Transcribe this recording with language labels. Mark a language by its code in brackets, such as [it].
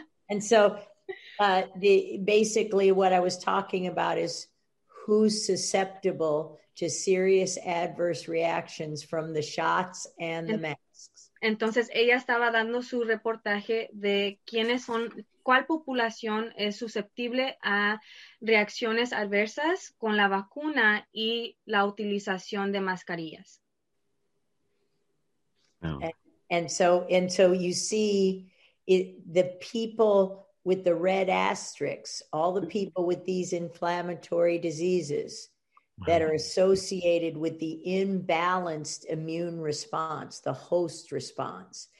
[en] And so basically what I was talking about is who's susceptible to serious adverse reactions from the shots and the masks. [es] Entonces ella estaba dando su reportaje de quiénes son, cuál población es susceptible a reacciones adversas con la vacuna y la utilización de mascarillas. Oh. [en] And so you see the people with the red asterisks, all the people with these inflammatory diseases that are associated with the imbalanced immune response, the host response.